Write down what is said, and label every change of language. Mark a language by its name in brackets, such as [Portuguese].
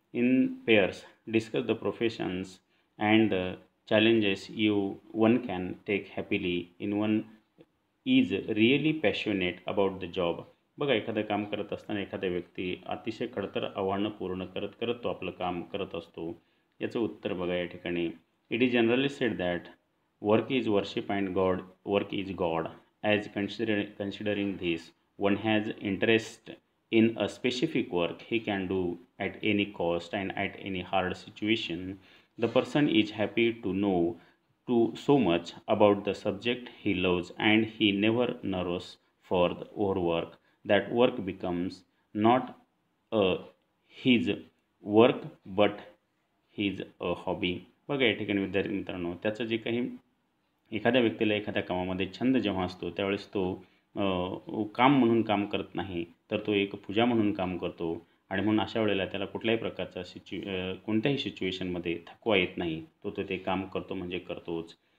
[English] In pairs discuss the professions and the challenges you one can take happily in one is really passionate about the job. [Marathi] बघा एखादं काम करत असताना एखादा व्यक्ती अतिशय खडतर आव्हानं पूर्ण करत करत तो आपलं काम करत असतो, याचं उत्तर बघा या ठिकाणी. [English] It is generally said that work is worship and god work is god. As considering this, one has interest in a specific work he can do at any cost and at any hard situation, the person is happy to know too so much about the subject he loves, and he never nervous for the overwork. That work becomes not a his work but his a hobby. [Marathi] बघा या ठिकाणी विद्यार्थी मित्रांनो त्याचं जे काही एखाद्या व्यक्तीला एखाद्या कामामध्ये छंद जेव्हा असतो त्यावेळेस तो काम म्हणून काम करत नाही तर तो एक पूजा म्हणून काम करतो, आणि म्हणून अशा वेळेला त्याला कुठल्याही प्रकारचा कोणत्याही सिच्युएशनमध्ये थकवा येत नाही, तो ते काम करतो म्हणजे करतोच.